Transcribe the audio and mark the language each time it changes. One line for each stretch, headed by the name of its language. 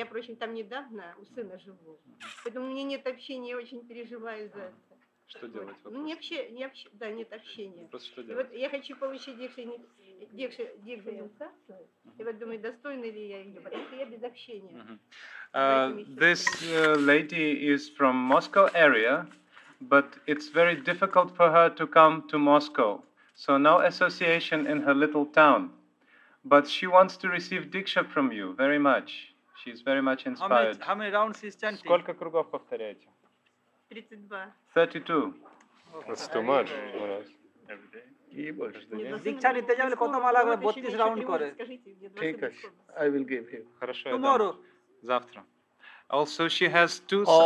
Russian: Я, впрочем, там недавно у сына живу. Поэтому у меня нет общения, я очень переживаю за это. Что делать? Ну, нет общения. Просто что делать? И вот я хочу получить дикшу инициацию. Mm-hmm. И вот думаю, достойна ли я ее, потому что я без общения.
English: Mm-hmm. This lady is from Moscow area. But it's very difficult for her to come to Moscow. So no association in her little town. But she wants to receive diksha from you very much. She's very much inspired. How many rounds is chanting?
Russian: Сколько кругов повторяете? 32. 32.
English: That's too much. Every day? I will give him. Tomorrow. Завтра. Also, she has two...